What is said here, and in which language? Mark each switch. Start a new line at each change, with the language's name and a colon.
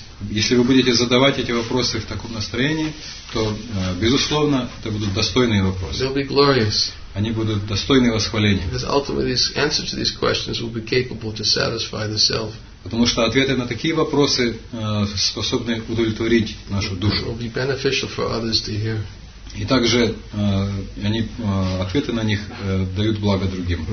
Russian: Если вы будете задавать эти вопросы в таком настроении, то, безусловно, это будут достойные вопросы.
English: They'll be glorious.
Russian: Они будут достойны восхваления.
English: Because ultimately, the answer to these questions will be capable to satisfy the self.
Russian: Потому что ответы на такие вопросы способны удовлетворить нашу душу.
English: Will be beneficial for others to hear.
Russian: И также они ответы на них дают благо другим.